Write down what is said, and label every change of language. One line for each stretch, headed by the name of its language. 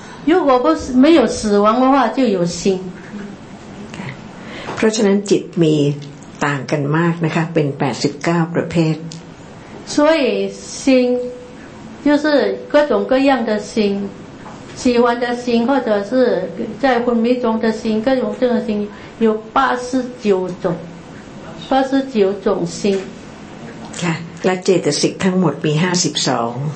Chinese: 如果不是没有死亡的话就有心
Thai: เพราะฉะนั้นจิตมีต่างกันมากนะคะเป็น89ประเภท
Chinese: 所以心就是各种各样的心喜欢的心或者是在昏迷中的心各种这种心有89种心
Thai: และเจตสิกทั้งหมดมี52